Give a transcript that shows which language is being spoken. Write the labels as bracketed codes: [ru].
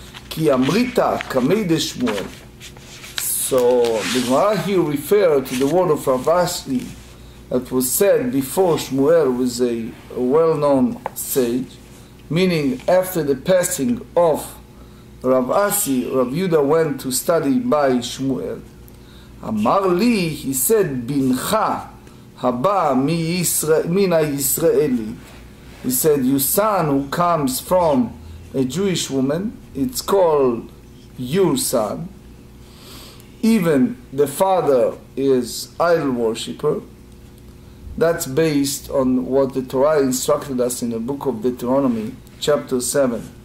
[arc] כי אמריתה כמי דשמואל. [en] So the Gemara here referred to the word of Rav Asi that was said before Shmuel was a well-known sage, meaning after the passing of Rav Asi, Rav Yehuda went to study by Shmuel. [he] אמר לי, [en] he said, [he] בנך הבא מן הישראלי. [en] He said, your son who comes from a Jewish woman, it's called your son. Even the father is idol worshipper. That's based on what the Torah instructed us in the book of Deuteronomy, chapter 7.